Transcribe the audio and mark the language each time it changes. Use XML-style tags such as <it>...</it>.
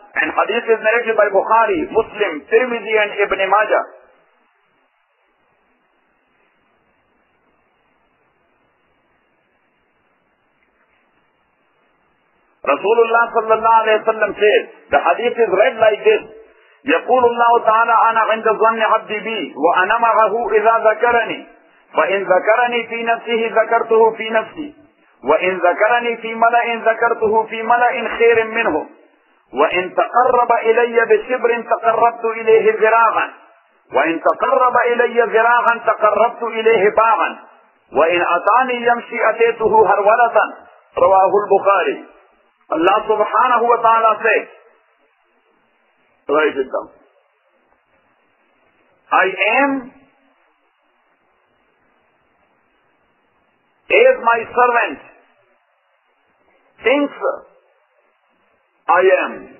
<en>And hadith is narrated by Bukhari, Muslim, Tirmidhi and Ibn Majah. Rasulullah sallallahu alayhi wa sallam says, the hadith is read like this.</en> <ar>يقول الله تعالى أنا عند ظن عبدي بي وأنا معه إذا ذكرني فإن ذكرني في نفسه ذكرته في نفسي وإن ذكرني في ملأ ذكرته في ملأ خير منه وإن تقرب إلي بشبر تقربت إليه ذراعا وإن تقرب إلي ذراعا تقربت إليه باعا وإن أتاني يمشي أتيته هرولة. رواه البخاري.</ar> <en>Allah subhanahu wa ta'ala says, write it down. I am as my servant thinks I am.</en>